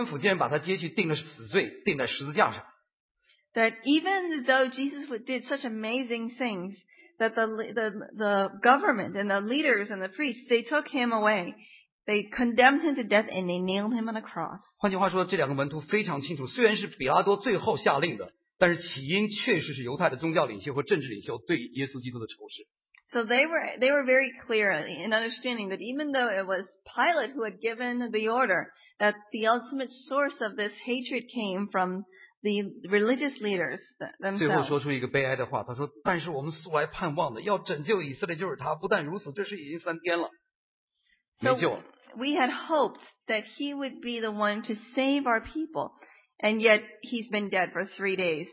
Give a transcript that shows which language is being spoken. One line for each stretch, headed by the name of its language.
Chinese: 但是这两位就说，我们绝对没有想到，你看这个祭司长和官府竟然把他接去定了死罪，钉在十字架上。
English: That even though Jesus did such amazing things, that the government and the leaders and the priests, they took him away. They condemned him to death and they nailed him on a cross.
Chinese: 换句话说，这两个门徒非常清楚，虽然是比拉多最后下令的，但是起因确实是犹太的宗教领袖和政治领袖对耶稣基督的仇视。
English: So they were very clear in understanding that even though it was Pilate who had given the order, that the ultimate source of this hatred came from the religious leaders themselves.
Chinese: 最后说出一个悲哀的话，他说：“但是我们素来盼望的，要拯救以色列，就是他。不但如此，这事已经三天了，没救了。”
English: So we had hoped that he would be the one to save our people, and yet he's been dead for 3 days.